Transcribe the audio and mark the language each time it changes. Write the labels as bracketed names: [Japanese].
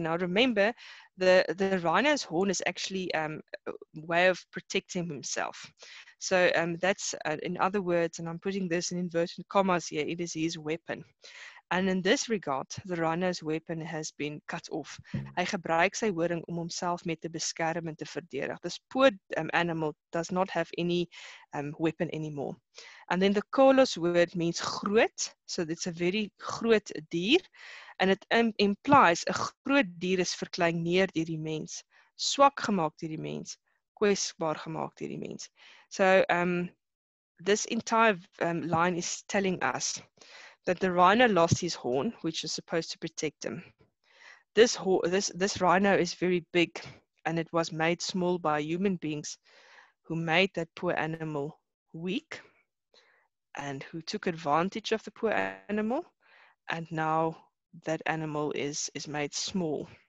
[English] Now, remember, the rhino's horn is actually a way of protecting himself. So that's, in other words, and I'm putting this in inverted commas here, it is his weapon. And in this regard, the rhino's weapon has been cut off. [Afrikaans] Hy gebruik sy horing om homself met te beskerm en te verdedig. [English] This poor animal does not have any weapon anymore. And then the kolos word means groot. So it's a very groot dier. And it implies a [Afrikaans] groot dier is verkleineer deur die mens, swak gemaak deur die mens, kwesbaar gemaak deur die mens. [English] So this entire line is telling us that the rhino lost his horn, which is supposed to protect him. This rhino is very big, and it was made small by human beings who made that poor animal weak and who took advantage of the poor animal, and now that animal is made small.